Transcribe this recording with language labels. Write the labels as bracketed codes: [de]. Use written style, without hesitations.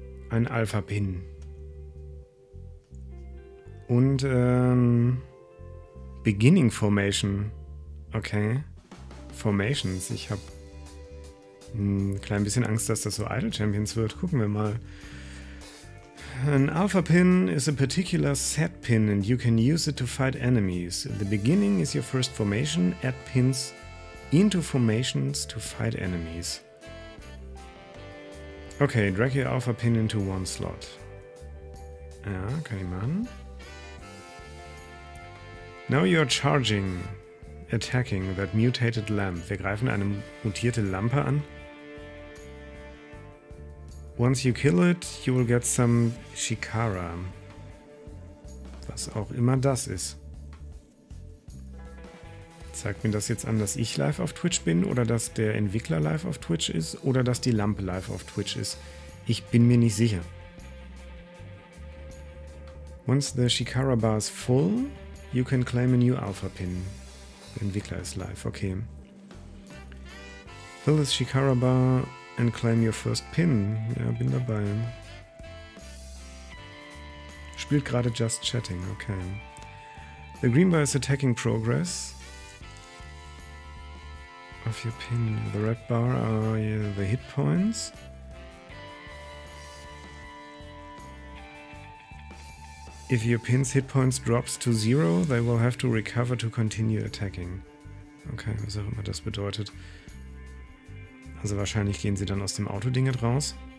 [de] Ein Alpha-Pin. [en] Und Beginning Formation. Okay. Formations. [de] Ich habe ein klein bisschen Angst, dass das so Idle Champions wird. Gucken wir mal. [en] An Alpha Pin is a particular set pin and you can use it to fight enemies. The beginning is your first formation. Add pins into formations to fight enemies. Okay, drag your Alpha Pin into one slot. [de] Ja, kann ich machen. [en] Now you're charging, attacking that mutated lamp. [de] Wir greifen eine mutierte Lampe an. [en] Once you kill it, you will get some Shikara. [de] Was auch immer das ist. Zeigt mir das jetzt an, dass ich live auf Twitch bin oder dass der Entwickler live auf Twitch ist oder dass die Lampe live auf Twitch ist. Ich bin mir nicht sicher. [en] Once the Shikara bar is full, you can claim a new Alpha Pin. [de] Der Entwickler ist live, okay. [en] Fill this Shikara bar and claim your first pin. [de] Ja, bin dabei. Spielt gerade Just Chatting, okay. [en] The green bar is attacking progress of your pin. The red bar are the hit points. If your pin's hit points drops to zero, they will have to recover to continue attacking. [de] Okay, was auch immer das bedeutet. Also wahrscheinlich gehen sie dann aus dem Auto-Ding raus.